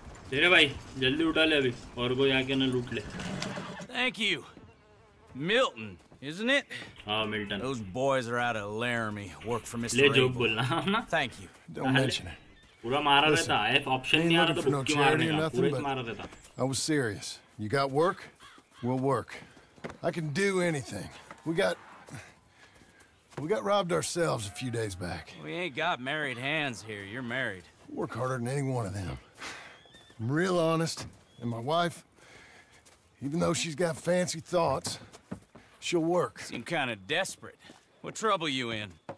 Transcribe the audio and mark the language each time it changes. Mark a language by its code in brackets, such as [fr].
[hi] तेरे भाई जल्दी उठा ले अभी और कोई आके ना लूट ले [en] thank you Milton isn't it [hi] हां Milton [en] those boys are out of Laramie work for Mr. [hi] ले जो बोलना ना [en] thank you don't mention it [hi] पूरा मारा देता है एफ ऑप्शन नहीं आ रहा तो क्यों मार रहा है पूरा मारा देता [en] I was serious you got work we will work I can do anything we got We got robbed ourselves a few days back. We ain't got married hands here. You're married. Work harder than any one of them. I'm real honest, and my wife, even though she's got fancy thoughts, she'll work. Seem kind of desperate. What trouble you in?